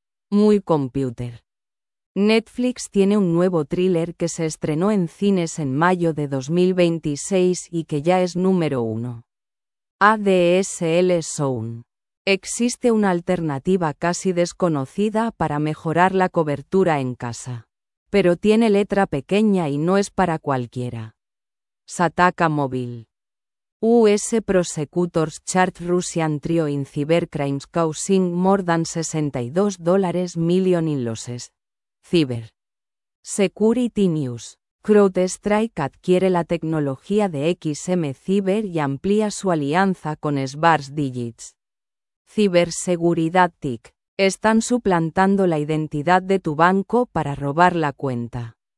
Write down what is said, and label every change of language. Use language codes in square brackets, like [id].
[es] Muy Computer. Netflix tiene un nuevo thriller que se estrenó en cines en mayo de 2026 y que ya es número uno. ADSL Zone. Existe una alternativa casi desconocida para mejorar la cobertura en casa. Pero tiene letra pequeña y no es para cualquiera. Sataka Móvil. [en] US Prosecutors charge Russian trio in cybercrimes causing more than $62 million in losses. Cyber. Security News. [es] CrowdStrike adquiere la tecnología de XM Cyber y amplía su alianza con Sparse Digits. Ciberseguridad TIC. Están suplantando la identidad de tu banco para robar la cuenta.